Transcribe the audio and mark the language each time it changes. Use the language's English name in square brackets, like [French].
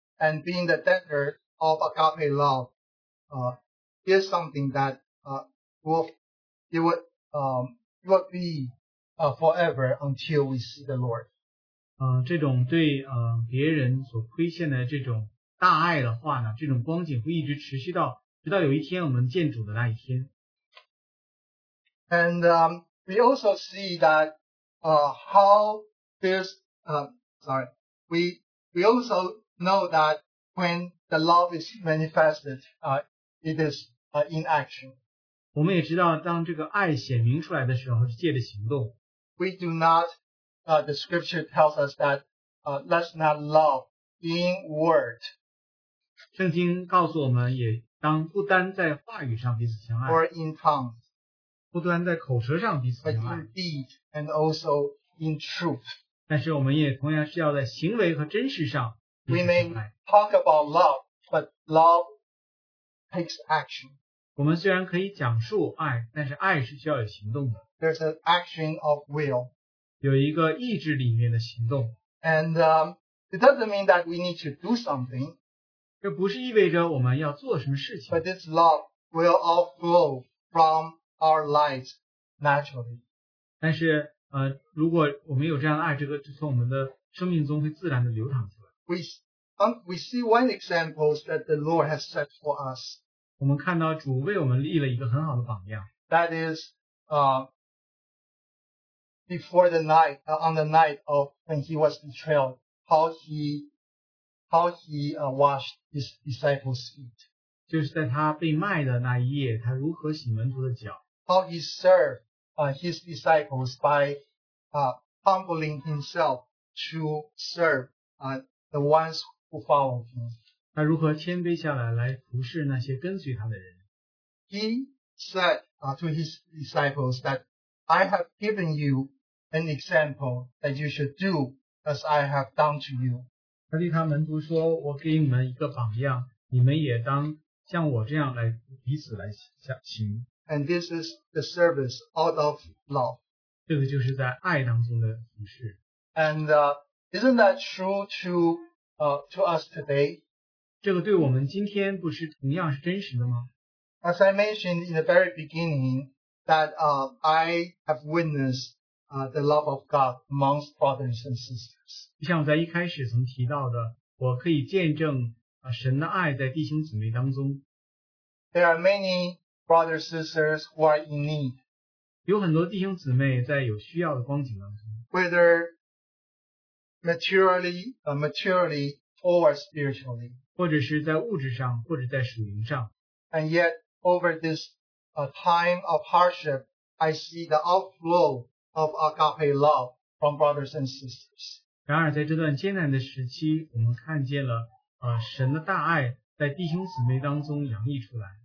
[English] And being the debtor of agape love, is something that, will be forever until we see the Lord. [Chinese] 这种对别人所亏欠的这种大爱的话呢，这种光景会一直持续到直到有一天我们见主的那一天。 [English] And we also see that how this we also know that when the love is manifested, it is in action. [Chinese] 我们也知道，当这个爱显明出来的时候，是借着行动。 [English] We do not, the scripture tells us that, let's not love in word. [Chinese] 圣经告诉我们也当不单在话语上彼此相爱。 [English] Or in tongues. [Chinese] 不单在口舌上彼此相爱。 [English] But in deed and also in truth. [Chinese] 但是我们也同样是要在行为和真实上彼此相爱。 [English] We may talk about love, but love takes action. [Chinese] 我们虽然可以讲述爱，但是爱是需要有行动的。 [English] There's an action of will. [Chinese] 有一个意志里面的行动。 [English] And it doesn't mean that we need to do something. [Chinese] 这不是意味着我们要做什么事情。 [English] But this love will all flow from our lives naturally. [Chinese] 但是如果我们有这样的爱，这个就从我们的生命中会自然的流淌出来。 [English] We see one example that the Lord has set for us. [Chinese] 我们看到主为我们立了一个很好的榜样。 [English] That is, before the night, on the night of when he was betrayed, how he washed his disciples' feet. [Chinese] 就是在他被卖的那一夜，他如何洗门徒的脚。 [English] How he served, his disciples by, humbling himself to serve, the ones who followed him. [Chinese] 他如何谦卑下来，来服侍那些跟随他的人。 [English] He said, to his disciples that I have given you an example that you should do as I have done to you. [Chinese] 他对他门徒说，我给你们一个榜样，你们也当像我这样来彼此来行。 [English] And this is the service out of love. [Chinese] 这个就是在爱当中的服侍。 [English] And isn't that true to us today? [Chinese] 这个对我们今天不是同样是真实的吗？ [English] As I mentioned in the very beginning, that I have witnessed the love of God amongst brothers and sisters. [Chinese] 像我在一开始曾提到的，我可以见证神的爱在弟兄姊妹当中。 [English] There are many brothers and sisters who are in need. [Chinese] 有很多弟兄姊妹在有需要的光景当中。 [English] Whether materially or spiritually. [Chinese] 或者是在物质上，或者在属灵上。 [English] And yet, over this time of hardship, I see the outflow of agape love from brothers and sisters. [Chinese] 然而在这段艰难的时期，我们看见了神的大爱在弟兄姊妹当中洋溢出来。